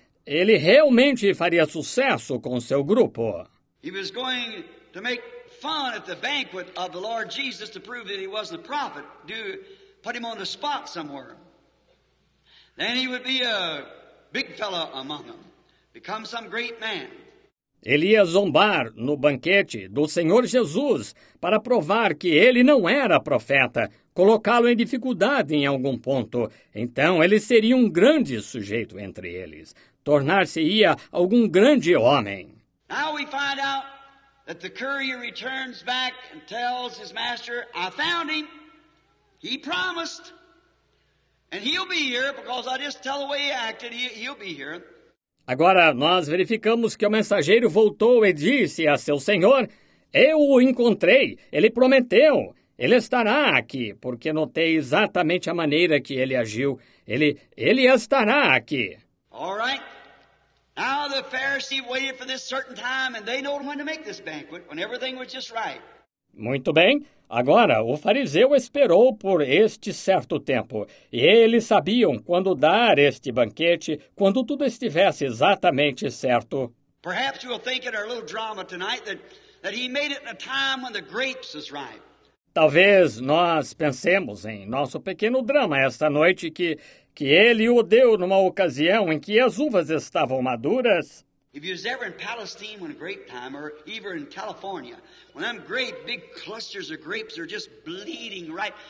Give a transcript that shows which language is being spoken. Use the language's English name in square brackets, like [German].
[Portuguese] Ele realmente faria sucesso com o seu grupo. [English] He was going to make fun at the banquet of the Lord Jesus to prove that he wasn't a prophet, do put him on the spot somewhere. Then he would be a big fellow among them. Become some great man. [Portuguese] Ele ia zombar no banquete do Senhor Jesus para provar que ele não era profeta, colocá-lo em dificuldade em algum ponto. Então ele seria um grande sujeito entre eles, tornar-se-ia algum grande homem. [English] Now we find out that the courier returns back and tells his master, I found him. He promised. And he'll be here because I just tell the way he acted, he'll be here. [Portuguese] Agora, nós verificamos que o mensageiro voltou e disse a seu senhor, eu o encontrei, ele prometeu, ele estará aqui, porque notei exatamente a maneira que ele agiu, ele estará aqui. [English] All right, now the Pharisee waited for this certain time, and they know when to make this banquet, when everything was just right. [Portuguese] Muito bem, agora o fariseu esperou por este certo tempo, e eles sabiam quando dar este banquete, quando tudo estivesse exatamente certo. [English] Perhaps you'll think in our little drama tonight that he made it in a time when the grapes is ripe. [Portuguese] Talvez nós pensemos em nosso pequeno drama esta noite que ele o deu numa ocasião em que as uvas estavam maduras. [English] If you was ever in Palestine when grape time, or even in California, when them great big clusters of grapes are just bleeding, right?